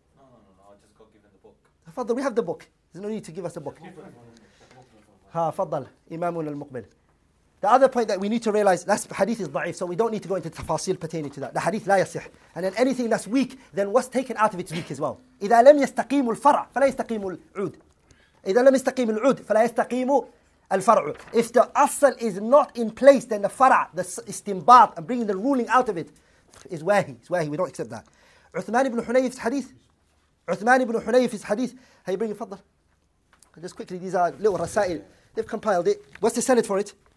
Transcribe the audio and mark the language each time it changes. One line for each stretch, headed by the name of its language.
English: No, I just got given the book. Fadl, we have the book. There's no need to give us the book. Ha, Fadl, Imamun al-Muqbil. The other point that we need to realize, that hadith is da'if, so we don't need to go into tafasil pertaining to that. The hadith la yasih. And then anything that's weak, then what's taken out of it is weak as well.
Arabic: إذا لم يستقيم الفرع فلا يستقيم العود. إذا لم يستقيم العود فلا يستقيم الفرع.
English: If the asal is not in place, then the fara, the istimbat, and bringing the ruling out of it, is wahi. It's wahi. We don't accept that. Uthman ibn Hunayf's hadith. Uthman ibn Hunayf's hadith. Hey, bring it, Fadl. Just quickly, these are little rasail. They've compiled it. What's the sanad for it?